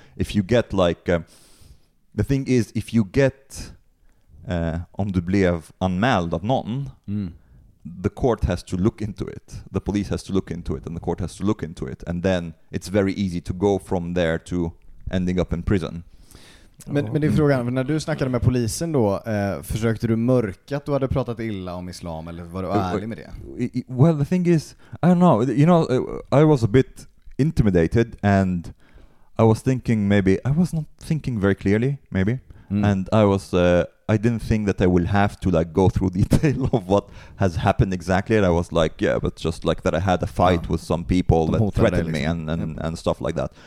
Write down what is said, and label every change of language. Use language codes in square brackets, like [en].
[en] If you get like, the thing is, if you get [sv] om du blev anmäld av någon, [en] the court has to look into it. The police has to look into it and the court has to look into it. And then it's very easy to go from there to ending up in prison. [sv] Men det är frågan, när du snackade med polisen då, försökte du mörka att du hade pratat illa om islam eller var du ärlig med det? [en] Well, the thing is, I don't know, you know, I was a bit intimidated and I was thinking maybe, I was not thinking very clearly, maybe, and I was, I didn't think that I will have to like go through detail of what has happened exactly, and I was like, yeah, but just like that I had a fight with some people that threatened me and stuff like that.